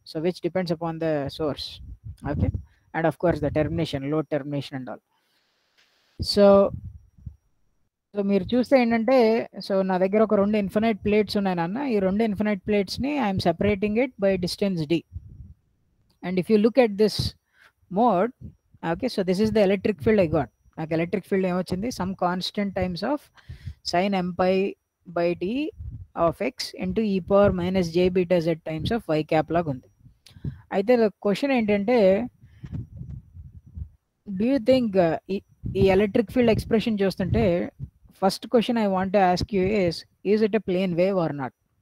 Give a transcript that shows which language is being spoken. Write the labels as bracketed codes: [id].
[en] So which depends upon the source. Okay. And of course the termination load termination and all. [te] So మీరు చూస్తే ఏంటంటే, so నా దగ్గర ఒక రెండు ఇన్ఫినైట్ ప్లేట్స్ ఉన్నాయి నాన్న. ఈ రెండు infinite ప్లేట్స్ని [en] I'm separating it by distance d. And if you look at this mode, okay, so this is the electric field I got. [te] నాకు ఎలక్ట్రిక్ ఫీల్డ్ ఏమొచ్చింది, [en] some constant times of sine m pi by t of x into e power minus j beta z times of y cap [te] లాగా ఉంది. అయితే question ఏంటంటే, [en] Do you think ఈ electric field expression చూస్తుంటే first question I want to ask you is, is it a plane wave or not?